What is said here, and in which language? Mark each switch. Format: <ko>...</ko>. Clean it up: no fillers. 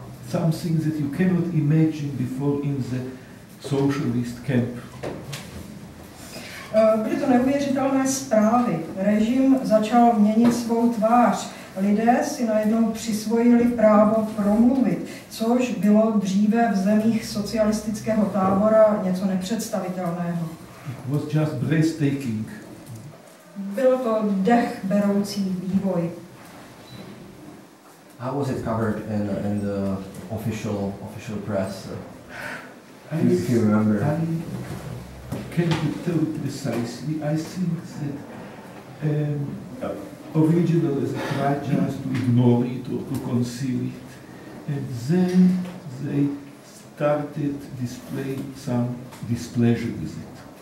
<en>Something that you cannot imagine before in the socialist camp.</en> <cs>Byly to neuvěřitelné zprávy. Režim začal měnit svou tvář. Lidé si najednou přisvojili právo promluvit, což bylo dříve v zemích socialistického tábora něco nepředstavitelného.</cs> <en>It was just breathtaking.</en> <cs>Bylo to dech beroucí vývoj.</cs> <en>How was it covered in the official press? If you remember. I can't tell precisely. I think that originally they tried just to ignore it or to conceal it, and then they started display some displeasure with it.</en>